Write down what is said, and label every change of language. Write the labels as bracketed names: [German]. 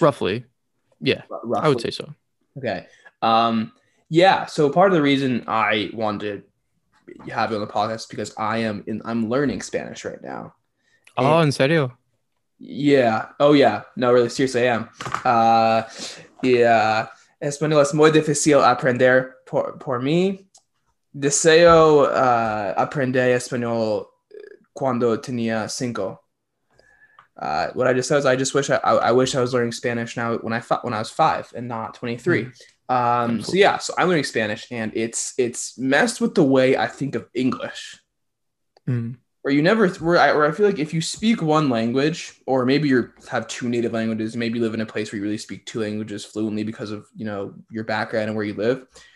[English] Roughly. Yeah, roughly. I would say so. Okay. Yeah, so part of the reason I wanted to have you on the podcast is because I'm learning Spanish right now. And oh, [Spanish] en serio? [English] Yeah. Oh, yeah. No, really, seriously, I am. Yeah. [Spanish] Español es muy difícil aprender por mí. Deseo aprender español cuando tenía cinco. [English] What I just said is I wish I was learning Spanish now when I was 5 and not 23. Mm. So I'm learning Spanish and it's messed with the way I think of English. Mm. Where I feel like if you speak one language, or maybe you have two native languages, maybe you live in a place where you really speak two languages fluently because of, you know, your background and where you live.